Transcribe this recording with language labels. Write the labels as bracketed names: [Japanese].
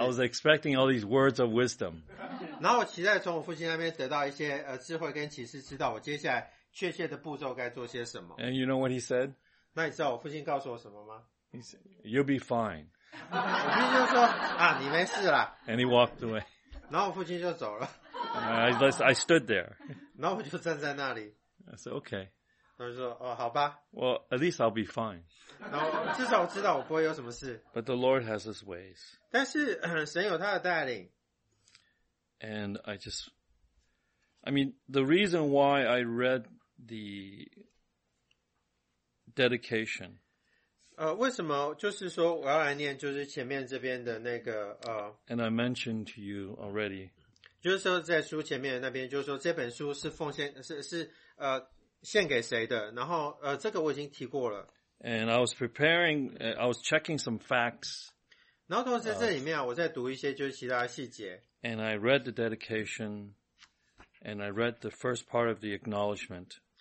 [English] I was expecting all these words of wisdom. [Chinese] 然后我期待从我父亲那边得到一些智慧跟启示，知道我接下来确切的步骤该做些什么。 [English] And you know what he said? [Chinese] 那你知道我父亲告诉我什么吗 [English] ？He said, "You'll be fine." [Chinese] 我父亲就说啊，你没事啦。 [English] And he walked away. [Chinese] 然后我父亲就走了。 [English] I stood there. [Chinese] 然后我就站在那里。 [English] I said, okay. [Chinese] 他就说，哦，好吧。 [English] Well, at least I'll be fine. [Chinese] 然后至少我知道我不会有什么事。 [English] But the Lord has his ways. [Chinese] 但是神有他的带领。 [English] And I just, I mean, the reason why I read the dedication. [Chinese] 为什么就是说我要来念就是前面这边的那个。 [English] And I mentioned to you already. [Chinese] 就是说在书前面那边就是说这本书是奉献给谁的。然后这个我已经提过了。 [English] And I was preparing, I was checking some facts. [Chinese] 然后同时在这里面我再读一些就是其他细节。 [English] And I read the dedication, and I read the first part of the acknowledgement.